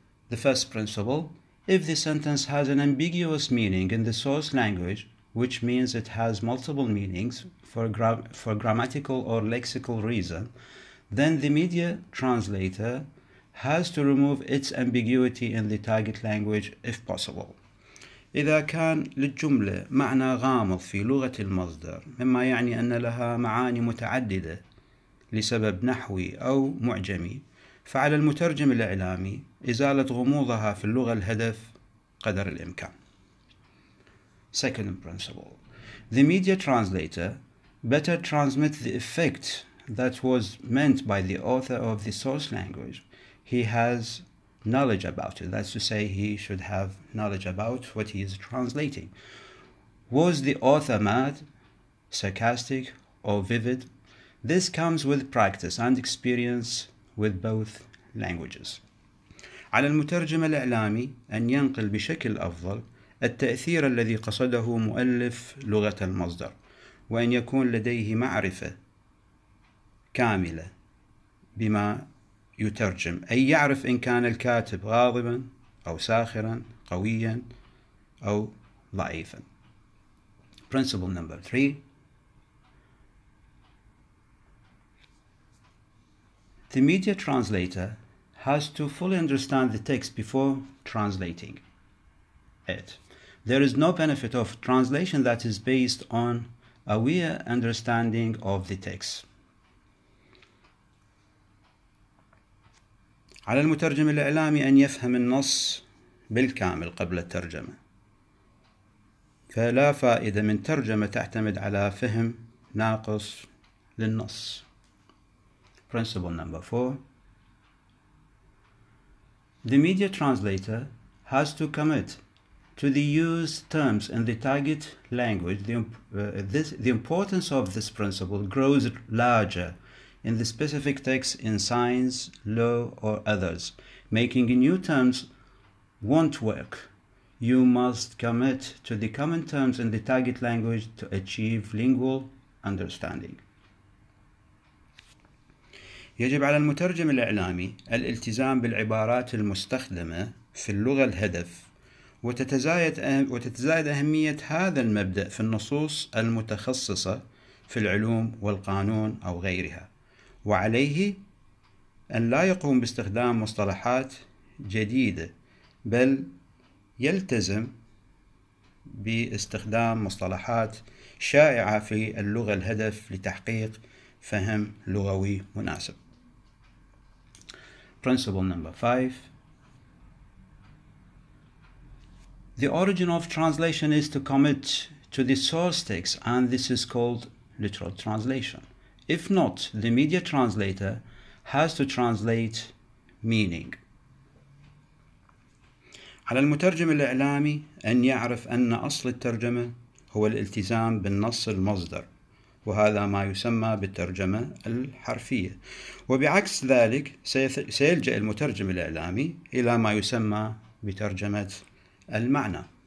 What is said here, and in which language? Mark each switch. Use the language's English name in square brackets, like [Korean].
[English] The first principle, if the sentence has an ambiguous meaning in the source language, which means it has multiple meanings for grammatical or lexical reason, then the media translator has to remove its ambiguity in the target language if possible. [Arabic] إذا كان للجملة معنى غامض في لغة المصدر مما يعني أن لها معاني متعددة لسبب نحوي أو معجمي فعلى المترجم الإعلامي إزالة غموضها في اللغة الهدف قدر الإمكان. [English] Second principle. The media translator better transmit the effect that was meant by the author of the source language. He has knowledge about it. That's to say, he should have knowledge about what he is translating. Was the author mad, sarcastic, or vivid? This comes with practice and experience with both languages. [Arabic] على المترجم الإعلامي أن ينقل بشكل أفضل التأثير الذي قصده مؤلف لغة المصدر وأن يكون لديه معرفة كاملة بما يترجم أي يعرف إن كان الكاتب غاضبا أو ساخرا قويا أو ضعيفا. [English] Principle number 3. The media translator has to fully understand the text before translating it. There is no benefit of translation that is based on a mere understanding of the text. [Arabic] على المترجم الإعلامي أن يفهم النص بالكامل قبل الترجمة فلا فائدة من ترجمة تعتمد على فهم ناقص للنص. [English] Principle number 4. The media translator has to commit to the used terms in the target language. The importance of this principle grows larger in the specific text in science, law, or others. Making new terms won't work. You must commit to the common terms in the target language to achieve lingual understanding. [Arabic] يجب على المترجم الإعلامي الالتزام بالعبارات المستخدمة في اللغة الهدف وتتزايد أهمية هذا المبدأ في النصوص المتخصصة في العلوم والقانون أو غيرها. وعليه أن لا يقوم باستخدام مصطلحات جديدة بل يلتزم باستخدام مصطلحات شائعة في اللغة الهدف لتحقيق فهم لغوي مناسب. [English] Principle number 5. The origin of translation is to commit to the source text and this is called literal translation. If not, the media translator has to translate meaning. [Arabic] على المترجم الإعلامي أن يعرف أن أصل الترجمة هو الالتزام بالنص المصدر وهذا ما يسمى بالترجمة الحرفية وبعكس ذلك سيلجأ المترجم الإعلامي إلى ما يسمى بترجمة المعنى.